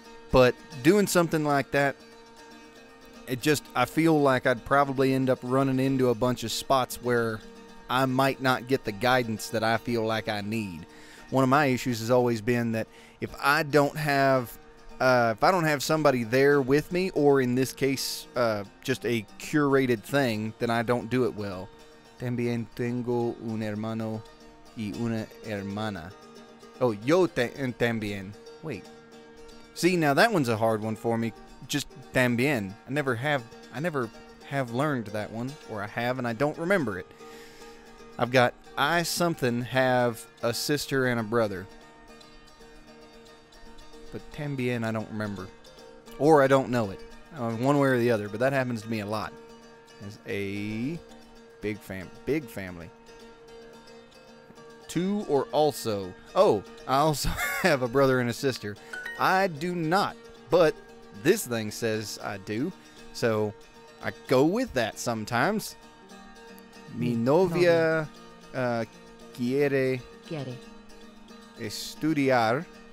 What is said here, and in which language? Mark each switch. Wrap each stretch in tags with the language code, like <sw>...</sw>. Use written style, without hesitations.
<en>But doing something like that, I feel like I'd probably end up running into a bunch of spots where I might not get the guidance that I feel like I need. One of my issues has always been that if I don't have somebody there with me, or in this case, just a curated thing, then I don't do it well.</en> <es>También tengo un hermano y una hermana. Oh, yo también.</es> <en>Wait. See, now that one's a hard one for me. Just también. I never have learned that one, or I have and I don't remember it. I've got I something have a sister and a brother. But también I don't remember. Or I don't know it. One way or the other, but that happens to me a lot. As a big family. Two or also. Oh, I also have a brother and a sister. I do not, but this thing says I do, so I go with that sometimes.</en> <es>Mi novia quiere estudiar</es>